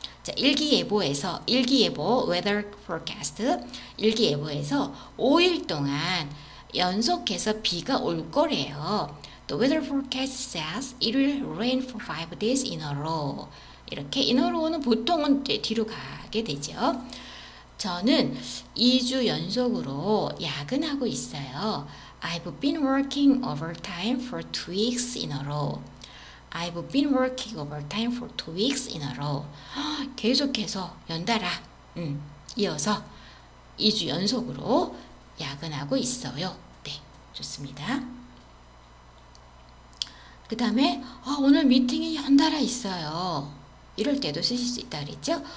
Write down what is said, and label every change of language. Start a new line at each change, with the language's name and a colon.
Korean: 자, 일기예보에서, 일기예보,
English: weather forecast,
Korean: 일기예보에서 5일 동안 연속해서 비가 올 거래요.
English: The weather forecast says it will rain for 5 days in a row.
Korean: 이렇게 in a row는 보통은 뒤로 가게 되죠. 저는 2주 연속으로 야근하고 있어요.
English: I've been working overtime for 2 weeks in a row. I've been working overtime for 2 weeks in a row.
Korean: 계속해서 연달아, 이어서 2주 연속으로 야근하고 있어요. 네, 좋습니다. 그 다음에 오늘 미팅이 연달아 있어요. 이럴 때도 쓰실 수 있다 그랬죠?